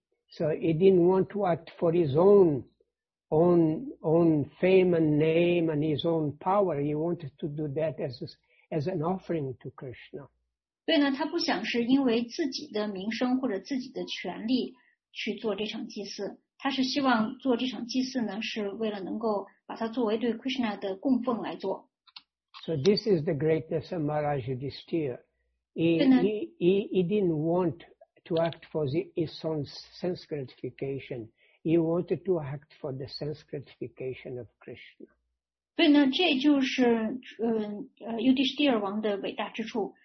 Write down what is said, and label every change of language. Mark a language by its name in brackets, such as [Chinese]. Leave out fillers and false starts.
[English] So he didn't want to act for his own fame and name and his own power. He wanted to do that as an offering to Krishna. [Chinese] 对呢，他不想是因为自己的名声或者自己的权利。去做这场祭祀，他是希望做这场祭祀呢，是为了能够把它作为对 Krishna 的供奉来做。 [English] So this is the greatness of Maharaj Yudhisthira. He didn't want to act for his own sense gratification. He wanted to act for the sense gratification of Krishna. [Chinese] 所以呢，这就是Yudhisthira 王的伟大之处。